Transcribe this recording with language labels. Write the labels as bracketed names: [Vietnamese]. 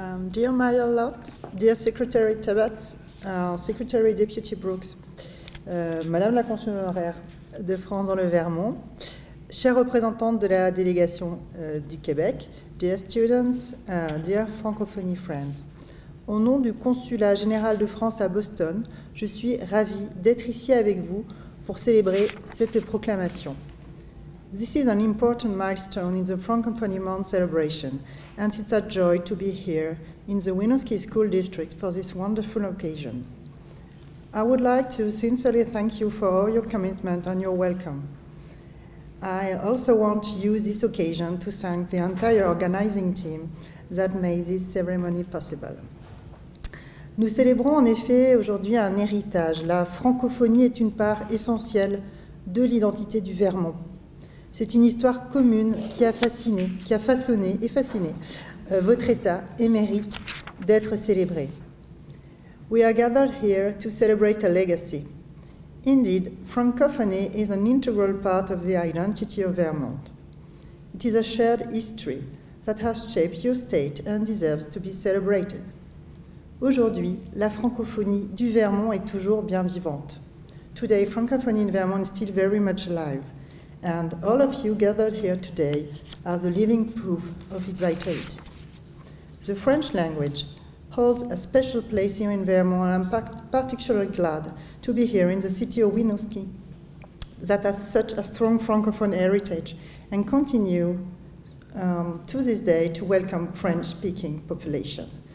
[English] Dear Mayor Lott, dear Secretary Tebbets, Secretary Deputy Brooks, [French] Madame la Consul honoraire de France dans le Vermont, chère représentante de la délégation du Québec, [English] dear students, dear Francophony friends, [French] au nom du Consulat général de France à Boston, je suis ravie d'être ici avec vous pour célébrer cette proclamation. [English] This is an important milestone in the Francophony Month celebration, and it's a joy to be here in the Winooski School District for this wonderful occasion. I would like to sincerely thank you for all your commitment and your welcome. I also want to use this occasion to thank the entire organizing team that made this ceremony possible. [French] Nous célébrons en effet aujourd'hui un héritage. La francophonie est une part essentielle de l'identité du Vermont. C'est une histoire commune qui a fasciné, qui a façonné et fasciné votre État et mérite d'être célébré. [English] We are gathered here to celebrate a legacy. Indeed, Francophony is an integral part of the identity of Vermont. It is a shared history that has shaped your state and deserves to be celebrated. [French] Aujourd'hui, la francophonie du Vermont est toujours bien vivante. [English] Today, Francophony in Vermont is still very much alive. And all of you gathered here today are the living proof of its vitality. The French language holds a special place here in Vermont, and I'm particularly glad to be here in the city of Winooski that has such a strong Francophone heritage and continue to this day to welcome French-speaking population.